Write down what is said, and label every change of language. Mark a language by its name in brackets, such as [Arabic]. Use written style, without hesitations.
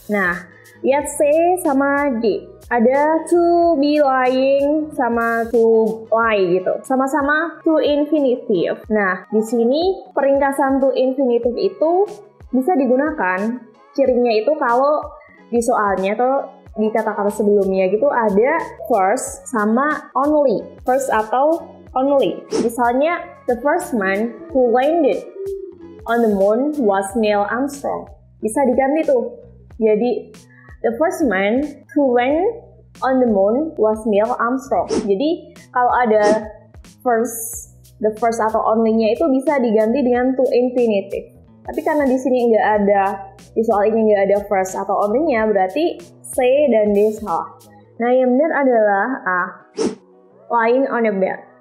[Indonesian] Nah, lihat C sama D. Ada to be lying sama to lie gitu. Sama-sama to infinitive. Nah, di sini peringkasan to infinitive itu bisa digunakan. Cirinya itu kalau di soalnya atau di kata-kata sebelumnya gitu ada first sama only. First atau only. [English] Misalnya, the first man who landed on the moon was Neil Armstrong. [Indonesian] Bisa diganti tuh. [English] Jadi, the first man who went on the moon was Neil Armstrong. [Indonesian] Jadi, kalau ada first, the first atau only-nya itu bisa diganti dengan to infinitive. Tapi karena di sini nggak ada, di soal ini nggak ada first atau only-nya, berarti C dan D salah. Nah, yang benar adalah A, [English] lying on a bed.